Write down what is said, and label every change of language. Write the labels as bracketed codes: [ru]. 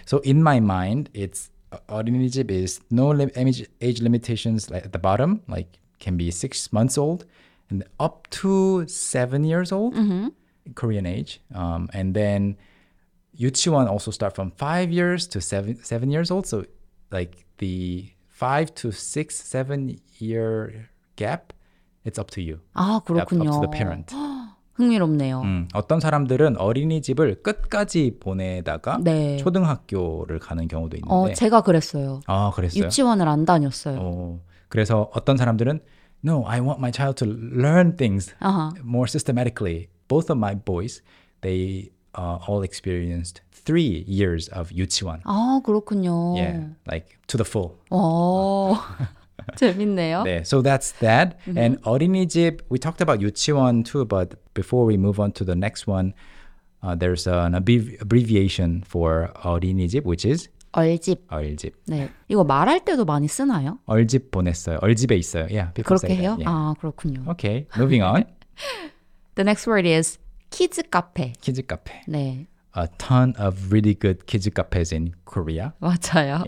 [en] So in my mind, it's 어린이집 is no age limitations like at the bottom, like can be 6 months old and up to 7 years old, mm-hmm. Korean age. And then 유치원 also start from 5 years to seven years old. So like the 5 to 6, 7 year gap, it's up to you. [ko] 아, 그렇군요. [en] Up to the parent. [ko] 흥미롭네요. 어떤 사람들은 어린이집을 끝까지 보내다가 네. 초등학교를 가는 경우도 있는데 제가 그랬어요. 아, 그랬어요? 유치원을 안 다녔어요. 그래서 어떤 사람들은 [en] No, I want my child to learn things uh-huh. more systematically. Both of my boys, they all experienced 3 years of 유치원. [ko] 아, 그렇군요. [en] Yeah, like to the full. [ko] 오, 재밌네요. 네, [en] so that's that. Mm-hmm. And 어린이집, we talked about 유치원 too, but before we move on to the next one, there's an abbreviation for 어린이집, which is [ko] 얼집. 얼집. 네, 이거 말할 때도 많이 쓰나요? 얼집 보냈어요. 얼집에 있어요. [en] Yeah, [ko] 그렇게 해요? [en] Yeah. [ko] 아, 그렇군요. [en] Okay, moving on. The next word is 키즈 카페. [ko] 키즈 카페. 네. [en] A ton of really good 키즈 카페s in Korea. [ko] 맞아요.